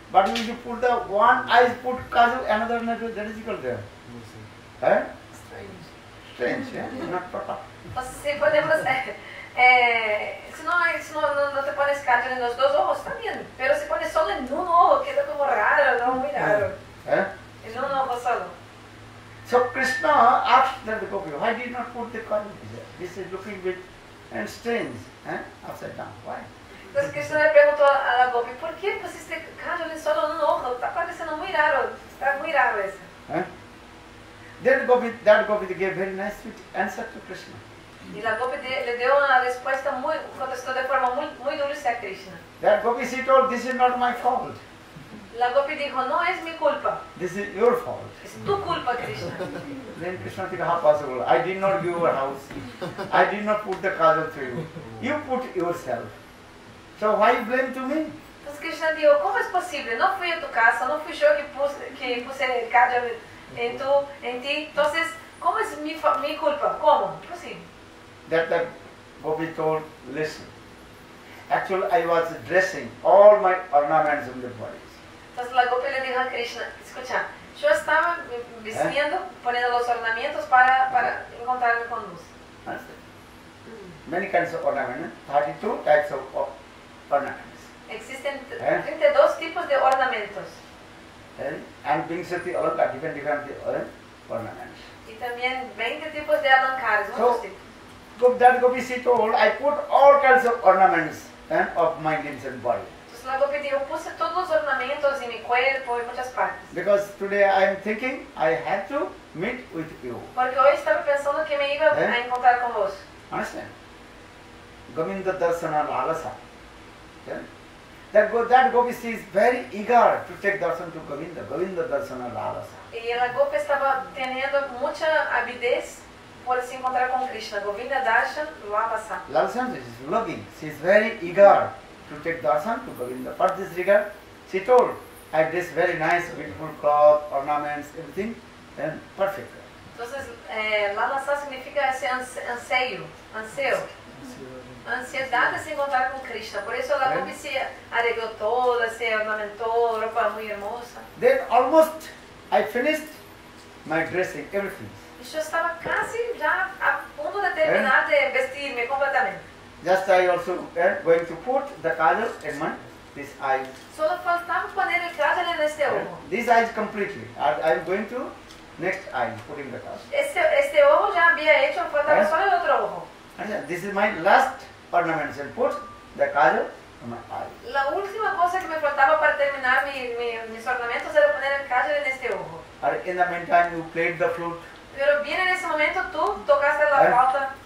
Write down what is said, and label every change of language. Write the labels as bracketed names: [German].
[English] But if you put the one eye, put kajal another, that is equal there. Strange. Not proper. [Spanish] Entonces, si podemos, si no te pones kajal en los dos ojos, está bien. Pero si pones solo en un ojo, queda como raro, no muy raro. En un ojo solo. [English] So Krishna asked that the gopi, why did you not put the kajal? This is looking a bit strange, upside down. Why? [Spanish] Entonces Krishna le preguntó a la gopi, ¿por qué pusiste kajal en solo un ojo? Está pareciendo muy raro, está muy raro eso. [English] Then that gopi gave a very nice sweet answer to Krishna. [Spanish] Y la gopi le dio una respuesta muy, contestó de forma muy, muy dulce a Krishna. [English] That gopi said, oh, this is not my fault. [Spanish] La gopi dijo, no es mi culpa. [English] This is your fault. [Spanish] Es tu culpa, Krishna. [English] Then Krishna said, how possible? I did not give your house. I did not put the kajal to you. You put yourself. So why blame to me? [Spanish] Pues Krishna dijo, ¿cómo es posible? No fui a tu casa, no fui yo que puse el kajal en ti. Entonces, ¿cómo es mi culpa? ¿Cómo? Posible. [English] That gopi told, listen. Actually, I was dressing all my ornaments on the body. [Spanish] Entonces la gopi le dijo a Krishna, escucha, yo estaba vistiendo, poniendo los ornamentos para encontrarme con luz. [English] Many kinds of ornaments, 32 types of ornaments. [Spanish] Existen 32 tipos de ornamentos. [English] And being sati alankar, different ornaments. [Spanish] Y también 20 tipos de alankaras, muchos tipos. [English] So, that gopi she told, I put all kinds of ornaments of my limbs and body. [Spanish] La gopi dijo, puse todos los ornamentos en mi cuerpo y muchas partes. [English] Because today I am thinking I had to meet with you. [Spanish] Porque hoy estaba pensando que me iba a encontrar con vos. [Sanskrit] Understand? Gominda darsana lalasa. [English] That gopi she is very eager to take darshan to Govinda. [Sanskrit] Govinda darsana lalasa. [Spanish] Y la gopi estaba teniendo mucha avidez por se encontrar con Krishna. [Sanskrit] Govinda darshan lalasa. [English] Lalasa is looking. She is very eager to take darshan to Govinda. For this regard, she told, I had this very nice, beautiful cloth, ornaments, everything, and perfect. [Spanish] Entonces, lalasa significa ese anseo. Ansiedad de se encontrar con Krishna. Por eso la gopi se arregló toda, se ornamentó, ropa muy hermosa. [English] Then almost I finished my dressing, everything. [Spanish] Yo estaba casi ya a punto de terminar de vestirme completamente. [English] Just I also going to put the kajal in my this eye. [Spanish] Solo faltaba poner el kajal en este ojo. [English] These eyes completely. I'm going to next eye, putting the kajal. [Spanish] Este ojo ya había hecho, faltaba solo el otro ojo. [English] This is my last ornament, and put the kajal in my eye. [Spanish] La última cosa que me faltaba para terminar mis ornamentos era poner el kajal en este ojo. [English] In the meantime, you played the flute. [Spanish] Pero bien en ese momento tú tocaste la flauta.